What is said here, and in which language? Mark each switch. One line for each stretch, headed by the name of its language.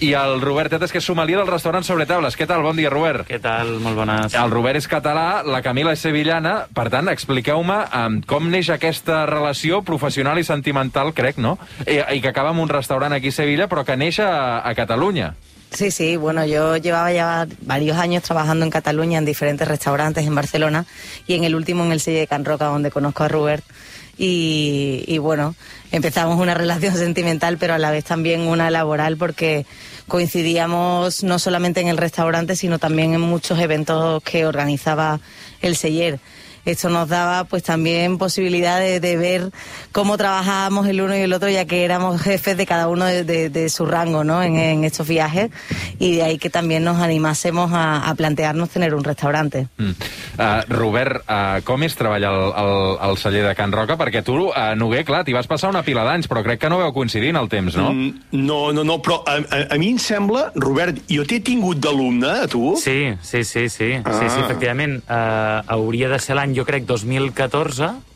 Catalan: I el Robert Tetes, que és sommelier del restaurant Sobre Tables. Què tal? Bon dia, Robert. Què tal? Molt bones. El Robert és català, la Camila és sevillana. Per tant, expliqueu-me com neix aquesta relació professional i sentimental, crec, no? I que acaba en un restaurant aquí a Sevilla, però que neix a Cataluña.
Spanish: Sí, sí, bueno, yo llevaba ya varios años trabajando en Cataluña en diferentes restaurantes en Barcelona y en el último en el Sella de Can Roca, donde conozco a Robert. Y bueno, empezamos una relación sentimental, pero a la vez también una laboral, porque coincidíamos no solamente en el restaurante, sino también en muchos eventos que organizaba el Seller. Esto nos daba pues también posibilidad de ver cómo trabajábamos el uno y el otro, ya que éramos jefes de cada uno de su rango, ¿no? En estos viajes, y de ahí que también nos animásemos a plantearnos tener un restaurante.
Catalan: Robert, com és treballar al celler de Can Roca? Perquè tu, Noguer, clar, t'hi vas passar una pila d'anys, però crec que no veu coincidir en el temps, no? No, però a mi em sembla, Robert, jo t'he tingut d'alumne, a tu? Sí. Ah. Sí, efectivament. Hauria de ser l'any, jo crec, 2014.